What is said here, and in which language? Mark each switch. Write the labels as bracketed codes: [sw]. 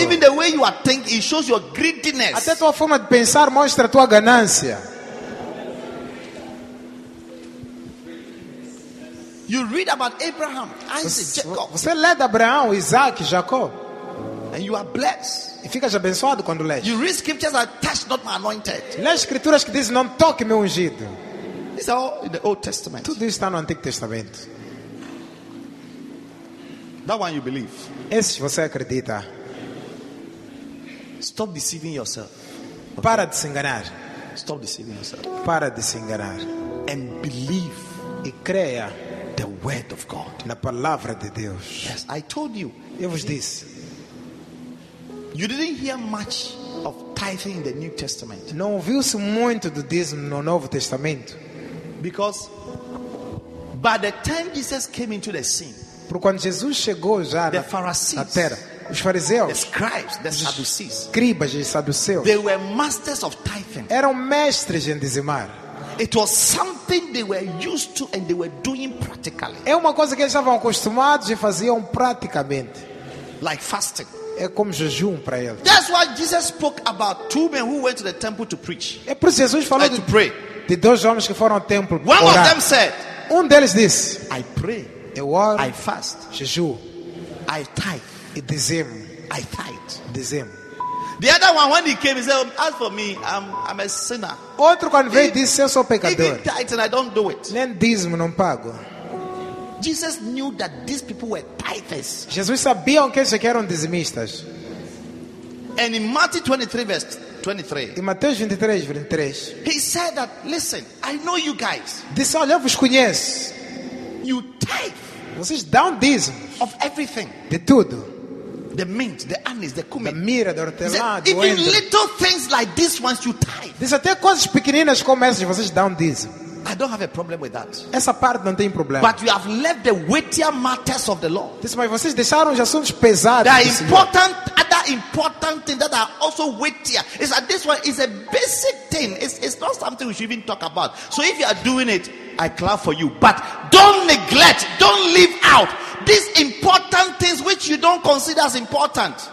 [en] Even the way you are thinking, it shows your greediness. [pt] Até a tua forma de pensar mostra a tua ganância. [en] You read about Abraham, Isaac, Jacob. [pt] Você lê de Abraão, Isaac, Jacob. [en] And you are blessed. [pt] E ficas abençoado quando lês. [en] You read scriptures that touch not my anointed. [pt] Lê escrituras que dizem não toque meu ungido. [en] It's all in the Old Testament. [pt] Tudo isso está no Antigo Testamento. [en] That one you believe. [pt] Esse você acredita. [en] Stop deceiving yourself. [pt] Okay. Para de se enganar. [en] Stop deceiving yourself. [pt] Para de se enganar. [en] And believe. [pt] E creia. [en] The word of God. [pt] Na palavra de Deus. [en] Yes, I told you. [pt] Eu vos disse. [en] You didn't hear much of tithing in the New Testament. [pt] Não ouviu-se muito do dízimo no Novo Testamento. [en] Because by the time Jesus came into the scene, [pt] porque quando Jesus chegou já [en] the Pharisees, [pt] na terra, os fariseus, [en] the scribes, the Sadducees, [pt] escribas e saduceus, [en] they were masters of tithing. [pt] Eram mestres em dizimar. [en] It was something they were used to and they were doing practically. [pt] É uma coisa que eles estavam acostumados e faziam praticamente. [en] Like fasting. [pt] É como jejum para eles. [en] That's why Jesus spoke about two men who went to the temple to preach. [pt] É por isso Jesus falou de dois homens que foram ao templo para orar. [en] One of them said, [pt] um deles disse, [en] I pray. [pt] Eu oro. [en] I fast. [pt] Jejum. [en] I tithe. [pt] E dizimo. [en] I tithe. [pt] Dizimo. [en] The other one, when he came, he said, "As for me, I'm a sinner." [pt] Outro quando veio disse, "Eu sou pecador." [en] If he tithes, I don't do it. [pt] Nem dízimo não pago. [en] Jesus knew that these people were tithers. [pt] Jesus sabia que eles eram dizimistas. [en] And in Matthew 23 verse 23. [pt] Em Mateus 23 verse 23. [en] He said that, "Listen, I know you guys." [pt] Disse, olha, eu vos conheço. [en] You tithe. [pt] Vocês dão dízimo. [en] Of everything. [pt] De tudo. [en] The mint, the anise, the cumin. [pt] The mira, the hortelã, [en] even [pt] do [en] little things like this ones you tithe. [pt] Diz até coisas pequeninas como essas vocês dão dízimo. [en] I don't have a problem with that. [pt] Essa parte não tem problema. [en] But you have left the weightier matters of the law. [pt] Disse, mas vocês deixaram os assuntos pesados. [en] The important, other important things that are also weightier. Is that this one is a basic thing. It's not something we should even talk about. So if you are doing it, I clap for you. But don't neglect, don't leave out these important things which you don't consider as important.